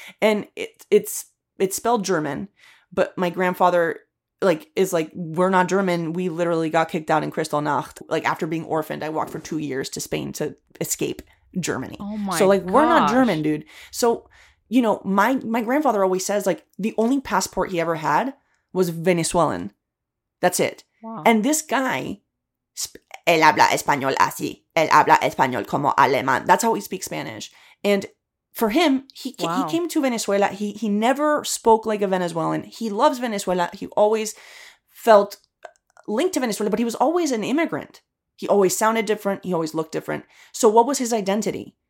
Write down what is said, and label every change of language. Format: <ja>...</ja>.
<en>And it's spelled German, but my grandfather like is like, we're not German. We literally got kicked out in Kristallnacht. Like after being orphaned, I walked for 2 years to Spain to escape Germany. Oh my So like gosh. We're not German, dude. So, you know, my grandfather always says like the only passport he ever had was Venezuelan. That's it. Wow. And this guy,</en> <es>él habla español así. Él habla español como alemán.</es> <en>That's how he speaks Spanish. And for him, he came to Venezuela. He never spoke like a Venezuelan. He loves Venezuela. He always felt linked to Venezuela, but he was always an immigrant. He always sounded different. He always looked different. So what was his identity?</en>